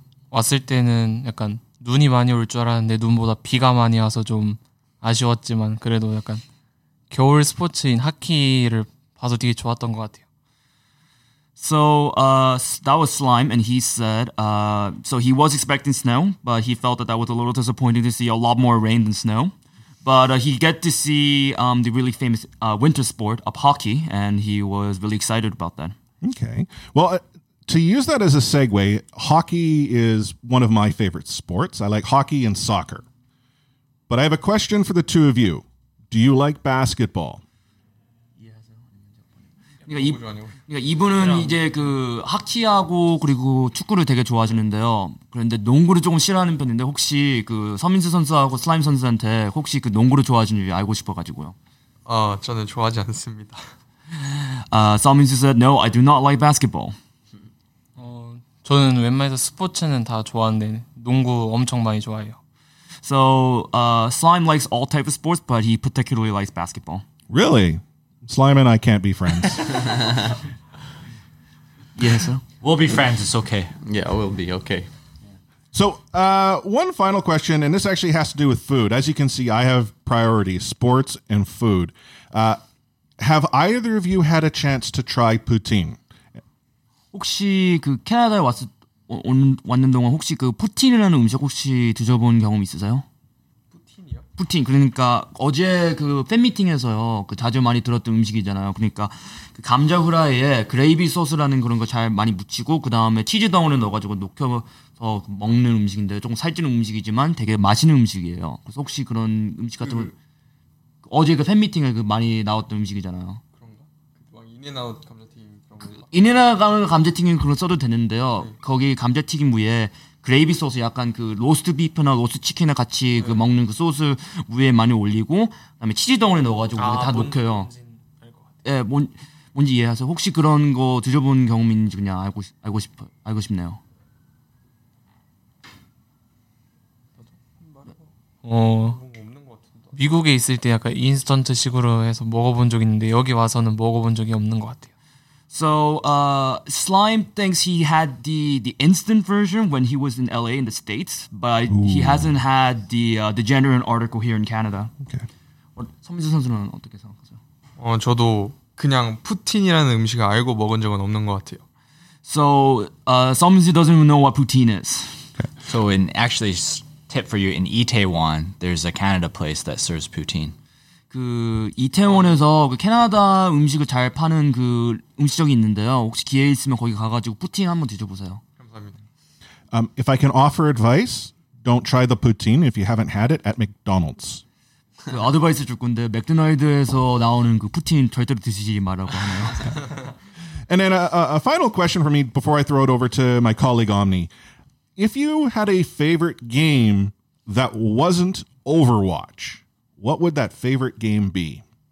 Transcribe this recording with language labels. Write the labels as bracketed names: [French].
[Korean] 왔을 때는 약간 눈이 많이 올 줄 알았는데 눈보다 비가 많이 와서 좀 아쉬웠지만 그래도 약간 겨울 스포츠인 하키를 봐서 되게 좋았던 것 같아요. [English] So that was Slime, and he said so he was expecting snow, but he felt that that was a little disappointing to see a lot more rain than snow. But he get to see the really famous winter sport of hockey, and he was really excited about that. Okay. Well, to use that as a segue, hockey is one of my favorite sports. I like hockey and soccer. But I have a question for the two of you. Do you like basketball? [Korean] 그러니까 이분은 이제 그 하키하고 그리고 축구를 되게 좋아하시는데요. 그런데 농구를 조금 싫어하는 편인데 혹시 그 서민수 선수하고 슬라임 선수한테 혹시 그 농구를 좋아하시는지 알고 싶어가지고요. 저는 좋아하지 않습니다. [English] 서민수 said, No, I do not like basketball. [Korean] 저는 웬만해서 스포츠는 다 좋아하는데 농구 엄청 많이 좋아해요. [English] So, Slime likes all types of sports, but he particularly likes basketball. Really? Slime and I can't be friends. Yes, sir. We'll be friends. It's okay. Yeah, we'll be okay. So, one final question, and this actually has to do with food. As you can see, I have priorities, sports and food. Have either of you had a chance to try poutine? [Korean] 혹시 그 캐나다에 왔는 동안 혹시 그 푸틴이라는 음식 혹시 드셔본 경험 있으세요? 푸틴이요? 푸틴 그러니까 어제 그 팬미팅에서요 그 자주 많이 들었던 음식이잖아요. 그러니까 그 감자 후라이에 그레이비 소스라는 그런 거 잘 많이 묻히고 그 다음에 치즈 덩어리 넣어가지고 녹여서 먹는 음식인데 조금 살찌는 음식이지만 되게 맛있는 음식이에요. 그래서 혹시 그런 음식 같은 걸 어제 그 팬미팅에 그 많이 나왔던 음식이잖아요. 그런가? 막 인앤아웃 감자 인앤아웃 감자튀김 그런 써도 되는데요. 네. 거기 감자튀김 위에 그레이비 소스 약간 그 로스트 비프나 로스트 치킨이나 같이 네. 그 먹는 그 소스 위에 많이 올리고 그다음에 치즈 덩어리 넣어가지고 다 녹여요. 예, 네, 뭔지 이해하세요? 혹시 그런 거 드셔본 경험인지 그냥 알고 싶네요. 미국에 있을 때 약간 인스턴트 식으로 해서 먹어본 적 있는데 여기 와서는 먹어본 적이 없는 것 같아요. [English] So Slime thinks he had the instant version when he was in LA in the States, but Ooh. He hasn't had the genuine article here in Canada. Okay. [Korean] 서민수 선수는 어떻게 생각하세요? 저도 그냥 푸틴이라는 음식을 알고 먹은 적은 없는 것 같아요. [English] So Seominsu doesn't know what poutine is. Okay. So actually tip for you in Itaewon, there's a Canada place that serves poutine. [Korean] 그 이태원에서 그 캐나다 음식을 잘 파는 그 음식점이 있는데요. 혹시 기회 있으면 거기 가가지고 푸틴 한번 드셔보세요. 감사합니다. [English] If I can offer advice, don't try the poutine if you haven't had it at McDonald's. [Korean] 그 어드바이스 줄 건데 맥도날드에서 나오는 그 푸틴 절대로 드시지 말라고 하네요. [English] And then a final question for me before I throw it over to my colleague Omni. If you had a favorite game that wasn't Overwatch, what would that favorite game be?